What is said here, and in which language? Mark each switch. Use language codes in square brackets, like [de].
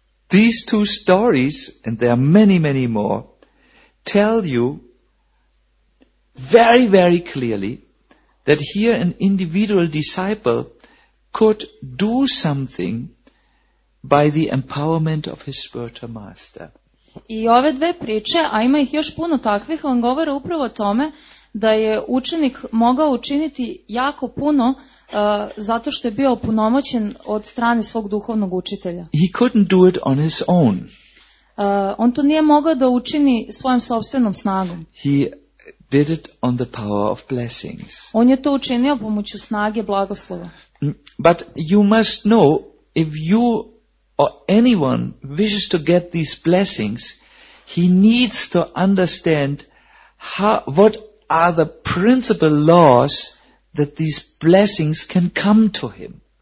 [en] These two stories, and there are many, many more, tell you very, very clearly that here an individual disciple could do something by the empowerment of his spiritual master. [sr] I ove dve priče, a ima ih još puno takvih, on govore upravo o tome da je učenik mogao učiniti jako puno zato što je bio opunomoćen od strane svog duhovnog učitelja. [en] He couldn't do it on his own. [sr] On to nije mogao da učini svojom sobstvenom snagom. [en] He did it on the power of blessings. [sr] On je to učinio pomoću snage blagoslova. [en] But you must know, if you or anyone wishes to get these blessings, he needs to understand what are the principal laws that these blessings can come to him.